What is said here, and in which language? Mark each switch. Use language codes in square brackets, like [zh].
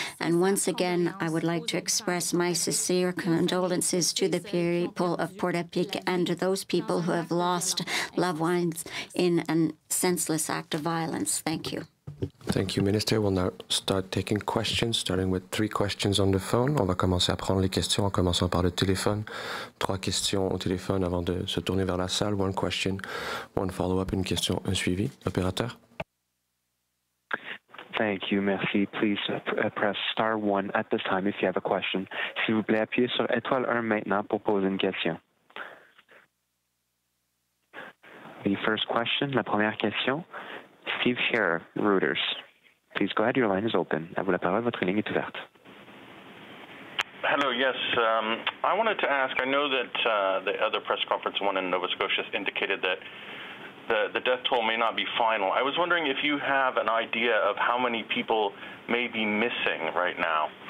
[en] And once again, I would like to express my sincere condolences to the people of Portapique and to those people who have lost loved ones in a senseless act of violence. Thank you. Thank you, Minister. We'll now start taking questions, starting with three questions on the phone. [fr] On va commencer à prendre les questions en commençant par le téléphone. Trois questions au téléphone avant de se tourner vers la salle. [en] One question, one follow-up, [fr] une question, un suivi. Opérateur. [en] Thank you. Merci. Please press star one at this time if you have a question. [fr] S'il vous plaît, appuyez sur étoile 1 maintenant pour poser une question. [en] The first question, [fr] la première question. [en] Steve Scherer, Reuters. Please go ahead, your line is open. [fr] À vous la parole, votre ligne est ouverte. [en] Hello, yes. I wanted to ask, I know that the other press conference, one in Nova Scotia, indicated that the death toll may not be final. I was wondering if you have an idea of how many people may be missing right now.